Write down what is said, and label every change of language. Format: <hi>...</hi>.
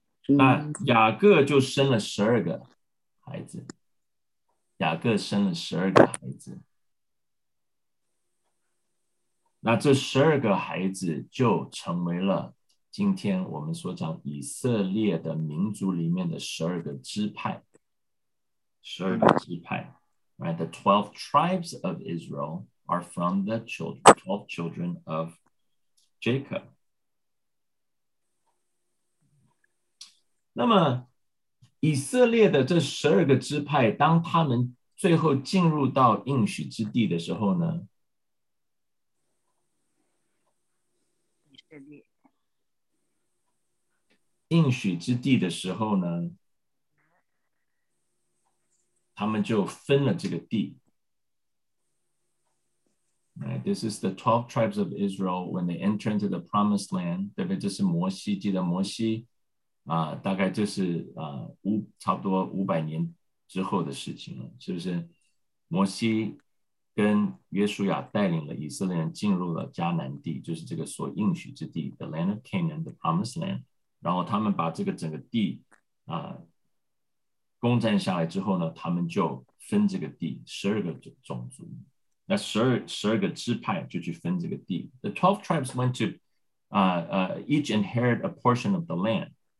<zh>那雅各就生了十二个孩子，雅各生了十二个孩子。那这十二个孩子就成为了今天我们所讲以色列的民族里面的十二个支派，十二个支派。</zh> <en>Right, the 12 tribes of Israel are from the children, 12 children of Jacob.</en> <zh>那么以色列的这十二个支派，当他们最后进入到应许之地的时候呢，应许之地的时候呢，他们就分了这个地。</zh> <en>Right, This is the 12 tribes of Israel when they enter into the promised land.</en> <zh>对不对？这是摩西，记得摩西大概就是差不多500年之后的事情了，是不是？摩西跟约书亚带领了以色列人进入了迦南地，就是这个所应许之地</zh> <en>The land of Canaan, the promised land.</en> <zh>然后他们把这个整个地攻占下来之后呢，他们就分这个地12个种族，那12个支派就去分这个地。</zh> <en>The 12 tribes went to each inherit a portion of the land.</en>